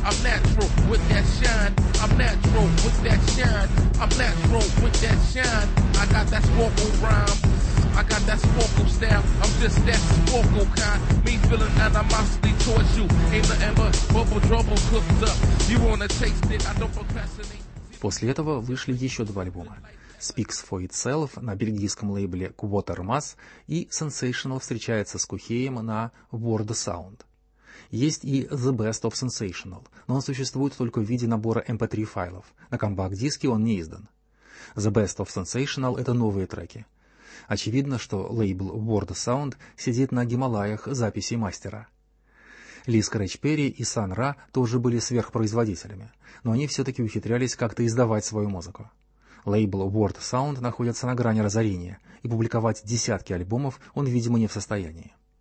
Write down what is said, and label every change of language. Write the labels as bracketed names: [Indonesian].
[English] I'm natural with that shine, I'm natural with that shine. I'm natural with that shine, I got that sparkle rhyme. I got that sparkle style, I'm just that sparkle kind. Me feeling animosity towards you. Ain't nothing but bubble trouble cooked up. You wanna taste it, I don't procrastinate. [Russian] После этого вышли еще два альбома. Speaks for Itself на бельгийском лейбле Quatermass и Sensational встречается с Кухеем на World Sound. Есть и The Best of Sensational, но он существует только в виде набора MP3 файлов. На компакт-диске он не издан. The Best of Sensational — это новые треки. Очевидно, что лейбл World Sound сидит на Гималаях записей мастера. Ли Скретч Перри и Сан Ра тоже были сверхпроизводителями, но они все-таки ухитрялись как-то издавать свою музыку. Лейбл World Sound находится на грани разорения, и публиковать десятки альбомов он, видимо, не в состоянии.